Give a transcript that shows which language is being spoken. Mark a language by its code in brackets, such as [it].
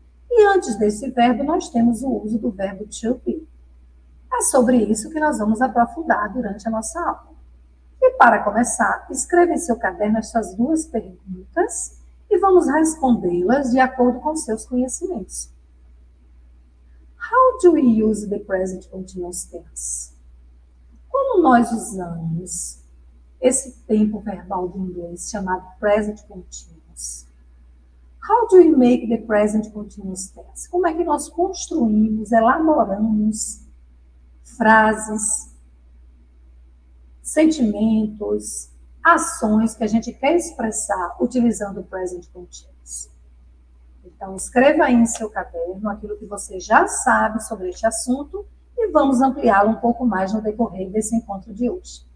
[pt] E antes desse verbo, nós temos o uso do verbo to be. É sobre isso que nós vamos aprofundar durante a nossa aula. E para começar, escreva em seu caderno essas duas perguntas e vamos respondê-las de acordo com seus conhecimentos. [en] How do we use the present continuous tense? [pt] Como nós usamos esse tempo verbal do inglês chamado present continuous? [en] How do we make the present continuous tense? [pt] Como é que nós construímos, elaboramos frases, sentimentos, ações que a gente quer expressar utilizando o present continuous? Então, escreva aí em seu caderno aquilo que você já sabe sobre este assunto e vamos ampliá-lo um pouco mais no decorrer desse encontro de hoje.